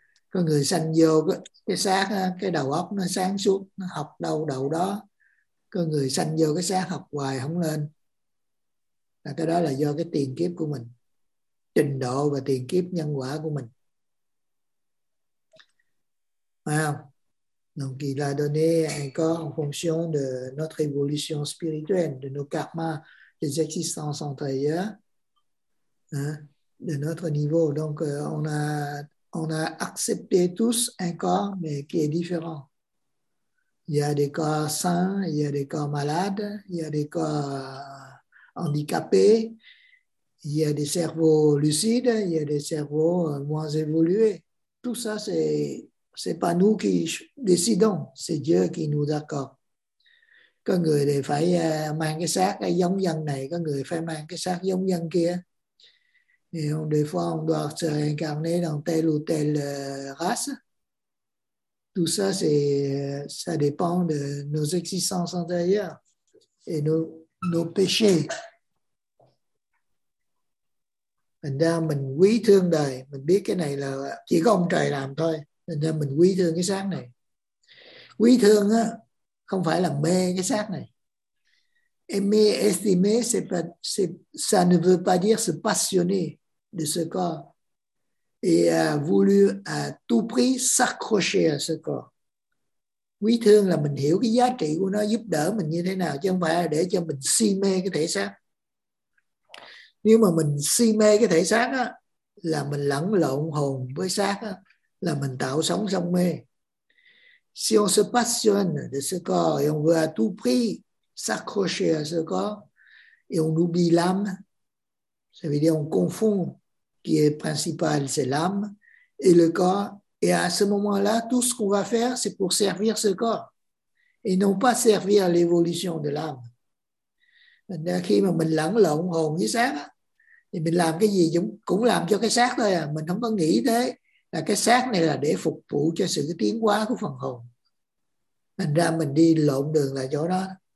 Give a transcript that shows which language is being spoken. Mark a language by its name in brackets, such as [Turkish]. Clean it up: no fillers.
[Vietnamese] Có người sanh vô cái xác cái đầu óc nó sáng suốt, nó học đâu đầu đó. Có người sanh vô cái xác học hoài không lên. Là cái đó là do cái tiền kiếp của mình, trình độ và tiền kiếp nhân quả của mình. Phải không? [French] Donc il a donné encore en fonction de notre évolution spirituelle, de nos karmas, des existences antérieures, hein, de notre niveau. Donc on a accepté tous un corps, mais qui est différent. Il y a des corps sains, il y a des corps malades, il y a des corps handicapés, il y a des cerveaux lucides, il y a des cerveaux moins évolués. Tout ça, c'est pas nous qui décidons, c'est Dieu qui nous accorde. [Vietnamese] Có người thì phải mang cái xác giống dân này, có người phải mang cái xác giống dân kia. [French] Et on, des fois, on doit se réincarner dans telle ou telle race. Tout ça, ça dépend de nos existences antérieures et nos péchés. [Vietnamese] Thành ra mình quý thương đời, mình biết cái này là chỉ có ông trời làm thôi. Thành ra mình quý thương cái xác này. Quý thương á, không phải là mê cái xác này. [French] Aimer, estimer, ça ne veut pas dire se passionner de ce corps. Et a voulu à tout prix s'accrocher à ce corps. [Vietnamese] Quý thương là mình hiểu cái giá trị của nó giúp đỡ mình như thế nào, chứ không phải là để cho mình si mê cái thể xác. Nếu mà mình si mê cái thể xác á, là mình lẫn lộn hồn với xác á, là mình tạo sống trong mê. [French] Si on se passionne de ce corps, et on veut à tout prix s'accrocher à ce corps, et on oublie l'âme, ça veut dire on confond qui est principal, c'est l'âme, et le corps, et à ce moment-là, tout ce qu'on va faire, c'est pour servir ce corps, et non pas servir l'évolution de l'âme. [Vietnamese] Khi mà mình lẫn lộn hồn với xác thì mình làm cái gì cũng làm cho cái xác thôi à. Mình không có nghĩ thế là cái xác này là để phục vụ cho sự tiến hóa của phần hồn. Thành ra mình đi lộn đường là chỗ đó.